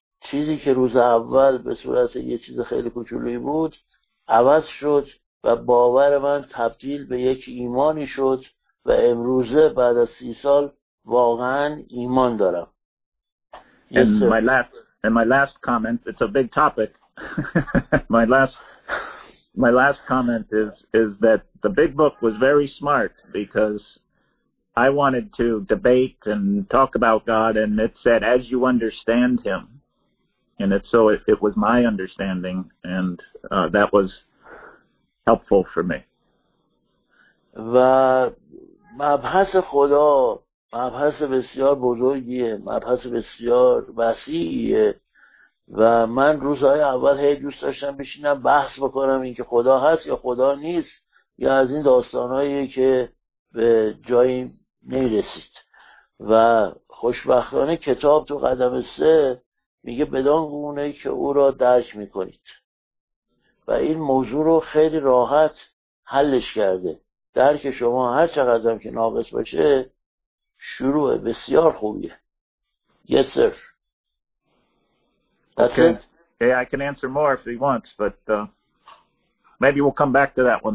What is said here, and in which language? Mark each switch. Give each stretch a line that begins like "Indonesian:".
Persian: چیزی که روز اول به صورت یه چیز خیلی کوچولویی بود عوض شد، و باور من تبدیل به یک ایمانی شد، و امروزه بعد از 30 سال واقعا ایمان دارم.
English: And my last comment, it's a big topic. My last comment is that the big book was very smart, because I wanted to debate and talk about God, and it said, as you understand him. And it, so it, it was my understanding, and that was helpful for me.
Persian: و مبحث خدا مبحث بسیار بزرگیه، مبحث بسیار وسیعیه، و من روزهای اول هی دوست داشتم بشینم بحث بکنم اینکه خدا هست یا خدا نیست، یا از این داستانهایی که به جایی نمیرسید. و خوشبختانه کتاب تو قدم 3 میگه بدان گونه که او را درک میکنید، و این موضوع رو خیلی راحت حلش کرده. درک شما هر چقدر هم که ناقص باشه شروع بسیار خوبیه.
English: Yes sir. Okay. Yeah, I can answer more if he wants, but maybe we'll come back to that one.